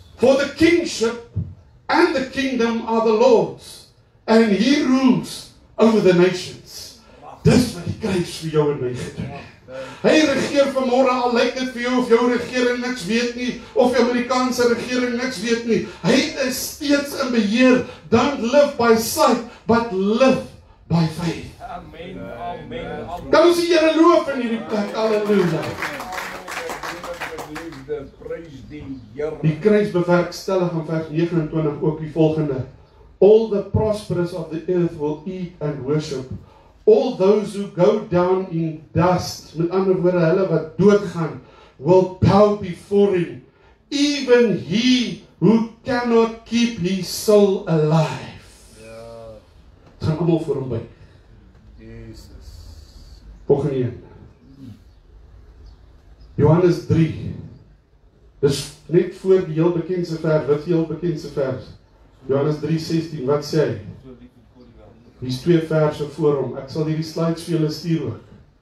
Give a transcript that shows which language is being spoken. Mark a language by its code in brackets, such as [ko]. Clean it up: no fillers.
[en] For the kingship and the kingdom are the Lord's, and He rules over the nations. [af] Dis wat die kruis vir jou en my gedoen het. Hy regeer vanmorgen, al lyk dit vir jou of jou regering niks weet nie, of jou Amerikaanse regering niks weet nie. Hy is steeds in beheer. [en] Don't live by sight, but live by faith. Amen. Amen. [af] Kan ons die Here loof in hierdie plek? Halleluja. Die kruis bewerkstellig van vers 29 ook die volgende. [en] All the prosperous of the earth will eat and worship. All those who go down in dust, [af] met ander woorde, hulle wat doodgaan, [en] will bow before him. Even he who cannot keep his soul alive. [af] Ja. Gaan allemaal voor hom buik. Jesus. Volgende een. Johannes 3. Dis net voor die heel bekendse vers, wat die heel bekendse vers? Johannes 3:16, wat sê hy? Hier is twee verse voor hom, ek sal hierdie slides vir julle stuur ook.